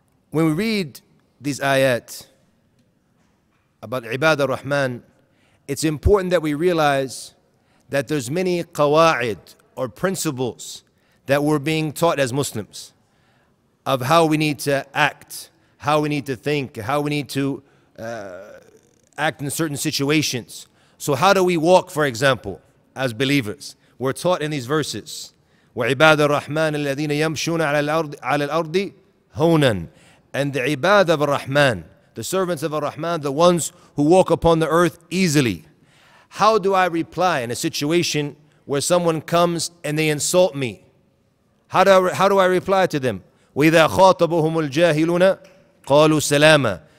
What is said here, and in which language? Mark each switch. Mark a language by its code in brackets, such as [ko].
[en] When we read these ayat about Ibad al-Rahman, it's important that we realize that there's many qawa'id or principles that we're being taught as Muslims of how we need to act, how we need to think, how we need to act in certain situations. So how do we walk, for example, as believers? We're taught in these verses, [ar] وَعِبَادَ الرَّحْمَانِ الَّذِينَ يَمْشُونَ عَلَى الْأَرْضِ هَوْنًا. [en] And the ibad of al-Rahman, the servants of al-Rahman, the ones who walk upon the earth easily. How do I reply in a situation where someone comes and they insult me? How do I reply to them? [ar] وَإِذَا خَاطَبُهُمُ الْجَاهِلُونَ قَالُوا سَلَامًا.